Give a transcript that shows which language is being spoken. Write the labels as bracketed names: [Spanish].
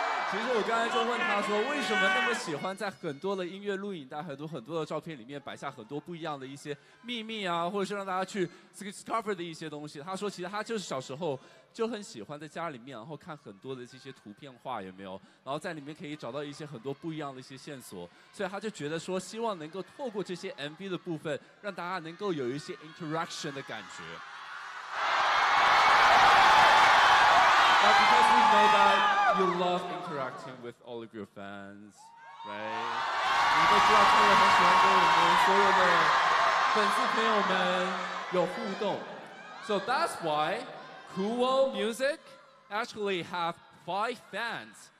[Chinese] 其实我刚才就问他说，为什么那么喜欢在很多的音乐录影带、很多很多的照片里面摆下很多不一样的一些秘密啊，或者是让大家去 discover 的一些东西？他说，其实他就是小时候就很喜欢在家里面，然后看很多的这些图片画有没有，然后在里面可以找到一些很多不一样的一些线索，所以他就觉得说，希望能够透过这些 MV 的部分，让大家能够有一些 interaction 的感觉。 [English] Because we know that you love interacting with all of your fans, right? [Chinese] 你都知道他也很喜欢跟我们所有的粉丝朋友们有互动。 [English] So that's why Kuwo Music actually have five fans